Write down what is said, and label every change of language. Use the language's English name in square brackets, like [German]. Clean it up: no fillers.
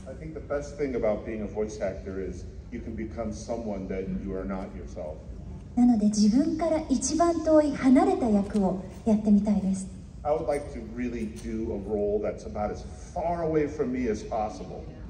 [English] I think the best thing about being a voice actor is you can become someone that you are not yourself. [Japanese] なので自分から一番遠い離れた役をやってみたいです。 [English] I would like to really do a role that's about as far away from me as possible.